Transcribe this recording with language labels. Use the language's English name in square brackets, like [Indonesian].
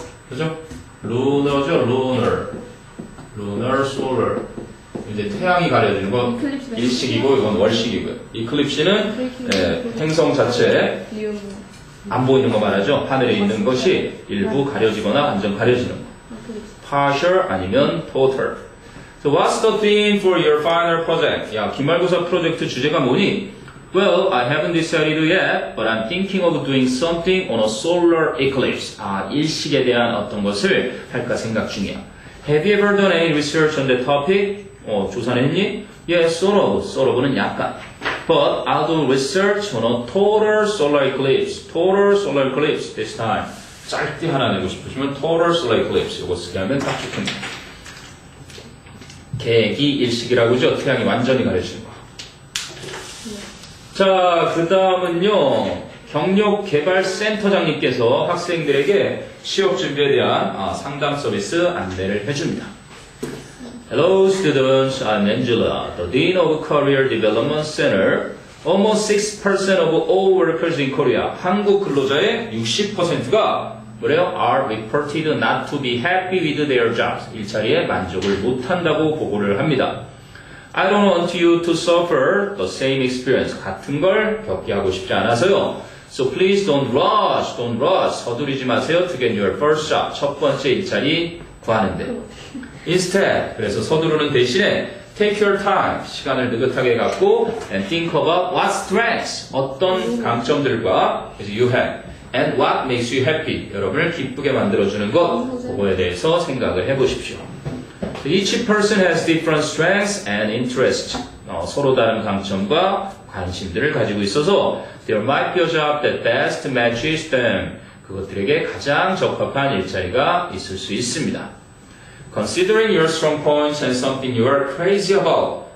[English] 그죠? Lunar죠? Lunar. Lunar solar. [Korean] 이제 태양이 가려지는 건 일식이고 이건 월식이고요. 이클립시는 예, 행성 자체에 안 보이는 거 말하죠. 하늘에 있는 것이 일부 가려지거나 완전 가려지는 거. [English] Partial 아니면 total. So what's the theme for your final project? [Korean] 야, 기말고사 프로젝트 주제가 뭐니? [English] Well, I haven't decided yet, but I'm thinking of doing something on a solar eclipse. [Korean] 아, 일식에 대한 어떤 것을 할까 생각 중이야. [English] Have you ever done any research on the topic? [Korean] 어, 조사는 했니? [English] Yes, sort of. [Korean] Sort of는 약간. [English] But I'll do research on a total solar eclipse. Total solar eclipse this time. [Korean] 짧게 하나 내고 싶으시면 [English] total solar eclipse. [Korean] 이거 쓰게 하면 딱 좋겠네요. 계기 일식이라고 그죠? 태양이 완전히 가려지는 거. 자, 그 다음은요. 경력개발센터장님께서 학생들에게 취업준비에 대한 상담 서비스 안내를 해줍니다. [English] Hello students, I'm Angela, the Dean of Career Development Center. Almost 6% of all workers in Korea, [Korean] 한국 근로자의 60%가 뭐래요? [English] Are reported not to be happy with their jobs. [Korean] 일자리에 만족을 못한다고 보고를 합니다. [English] I don't want you to suffer the same experience. [Korean] 같은 걸 겪게 하고 싶지 않아서요. [English] So please don't rush, don't rush. [Korean] 서두르지 마세요. [English] To get your first job. [Korean] 첫 번째 일자리 구하는데. [English] Instead, [Korean] 그래서 서두르는 대신에 [English] take your time, [Korean] 시간을 느긋하게 갖고 [English] and think about what strengths, [Korean] 어떤 강점들과 [English] you have and what makes you happy, [Korean] 여러분을 기쁘게 만들어주는 것, 그거에 대해서 생각을 해보십시오. [English] So each person has different strengths and interests. [Korean] 서로 다른 강점과 관심들을 가지고 있어서 [English] there might be a job that best matches them. [Korean] 그것들에게 가장 적합한 일자리가 있을 수 있습니다. [English] Considering your strong points and something you are crazy about.